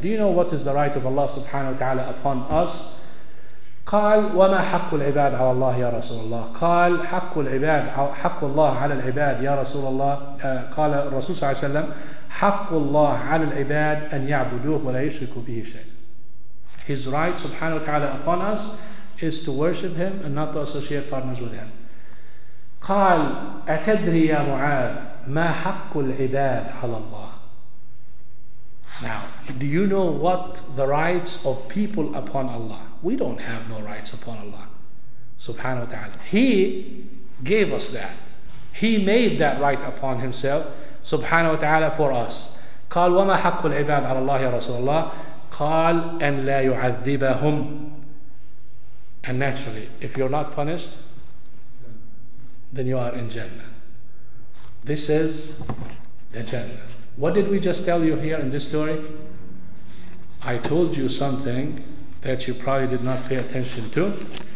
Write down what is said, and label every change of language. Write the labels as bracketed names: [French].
[English] Do you know what is the right of Allah subhanahu wa ta'ala upon us? [Arabic] قال وما حق العباد على الله يا رسول الله? قال حق العباد حق الله على العباد يا رسول الله? قال الرسول صلى الله عليه وسلم حق الله على العباد أن يعبدوه ولا يشركوا به شيء. [English] His right subhanahu wa ta'ala upon us is to worship him and not to associate partners with him. [Arabic] قال أتدري يا معاذ ما حق العباد على الله? [English] Now, do you know what the rights of people upon Allah? We don't have no rights upon Allah subhanahu wa ta'ala. He gave us that. He made that right upon himself subhanahu wa ta'ala for us. [Arabic] قال وما حق العباد على الله يا رسول الله? قال أن لا يعذبهم. [English] And naturally, if you're not punished, then you are in Jannah. This is the Jannah. What did we just tell you here in this story? I told you something that you probably did not pay attention to.